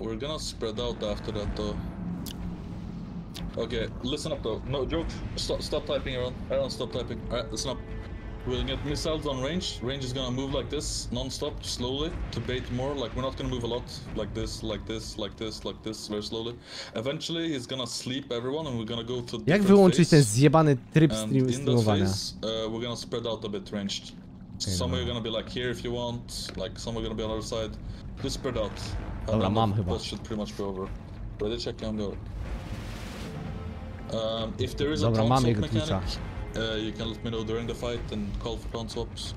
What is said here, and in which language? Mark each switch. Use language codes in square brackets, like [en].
[en] We're gonna spread out after that though. Okay, listen up though. No joke. Stop typing around. I don't stop typing. Alright, listen up. We'll get missiles on range. Range is gonna move like this, non-stop, slowly, to bait more. Like, we're not gonna move a lot. Like this, like this, like this, like this, very slowly. Eventually, he's gonna sleep everyone and we're gonna go to... [pl] Jak wyłączyć ten zjebany tryb streamowania? [en] And in that phase, we're gonna spread out a bit ranged. Some of you are gonna be like here if you want, like some are gonna be on the other side. Just spread out. [pl] Dobra, mam chyba. [en] This should pretty much be over. Ready check, I'm going. If there is a taunt swap mechanic, you can let me know during the fight and call for taunt swaps.